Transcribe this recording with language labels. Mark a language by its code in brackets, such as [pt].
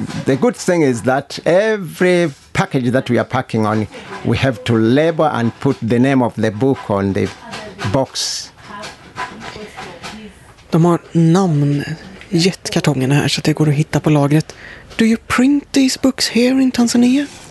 [en] The good thing is that every package that we are packing on, we have to label and put the name of the book on the box. [sv] De har namn jättekartongerna här så att det går att hitta på lagret. [en] Do you print these books here in Tanzania?